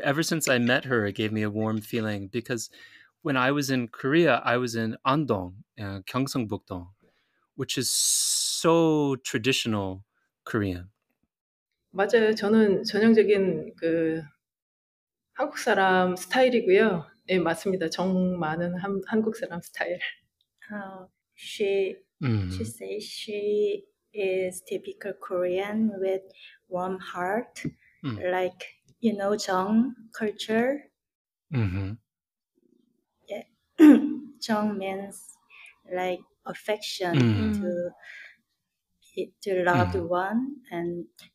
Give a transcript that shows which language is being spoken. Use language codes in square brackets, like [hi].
[en] Ever since I met her, it gave me a warm feeling because when I was in Korea, I was in Andong, Gyeongsangbuk-dong, which is so traditional Korean. [ko] 맞아요. 저는 전형적인 그 한국 사람 스타일이고요. 네, 맞습니다. 정 많은 한국 사람 스타일. [en] She says she is typical Korean with warm heart, like, you know, 정 culture. Jung means like affection to love the one and